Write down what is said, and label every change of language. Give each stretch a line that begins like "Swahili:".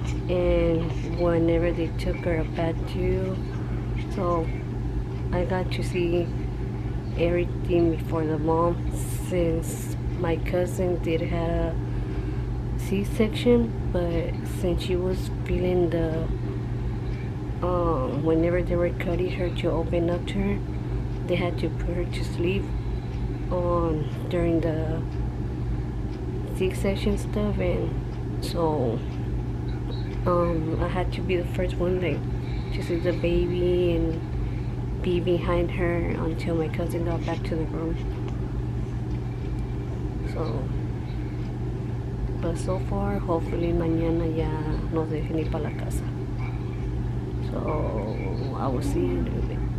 English: And whenever they took her back to, so I got to see everything before the mom, since my cousin did have a C-section, but since she was feeling the whenever they were cutting her to open up to her, they had to put her to sleep on during the C-section stuff. And so I had to be the first one, like, to see the baby and be behind her until my cousin got back to the room. So far, hopefully
Spanish: mañana ya nos dejen ir para la casa.
English: So I will see you in a little bit.